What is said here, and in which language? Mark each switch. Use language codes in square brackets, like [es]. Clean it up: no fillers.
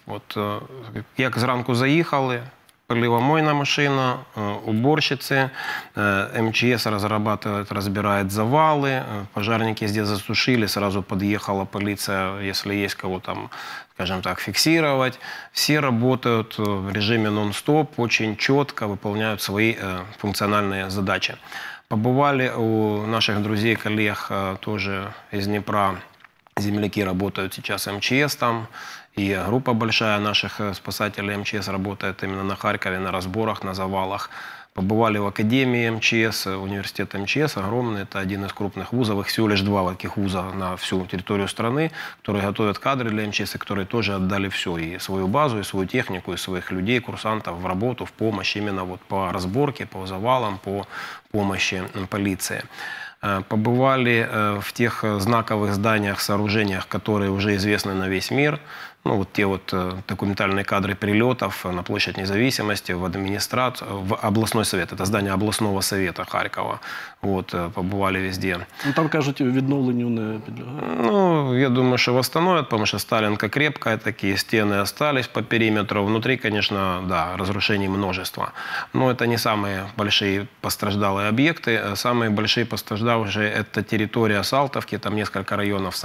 [uk] От як зранку заїхали, поливомийна машина, уборщиці, МЧС розбирає завали, пожарники [ru] здесь засушили, сразу [uk] під'їхала поліція, якщо є кого там, скажем так, фіксувати. Всі працюють в режимі нон-стоп, дуже чітко виконують свої функціональні задачі. [ru] Побували у наших друзей, коллег, тоже из Днепра, земляки работают сейчас МЧС там, и группа большая наших спасателей МЧС работает именно на Харькове, на разборах, на завалах. Побували в Академии МЧС, университет МЧС огромный, это один из крупных вузов, их всего лишь два таких вуза на всю территорию страны, которые готовят кадры для МЧС, и которые тоже отдали все, и свою базу, и свою технику, и своих людей, курсантов в работу, в помощь, именно вот по разборке, по завалам, по помощи полиции. Побывали в тех знаковых зданиях, сооружениях, которые уже известны на весь мир. Ну, вот те вот документальные кадры прилетов на площадь независимости, в администрацию, в областной совет. Это здание областного совета Харькова. Вот, побывали везде. [uk] Ну, там, кажуть, відновленню не підлягає. [ru] Ну, я думаю, что восстановят, потому что Сталинка крепкая, такие стены остались по периметру. Внутри, конечно, да, разрушений множество. Но это не самые большие постраждалые объекты. Самые большие постраждавшие – это территория Салтовки, там несколько районов.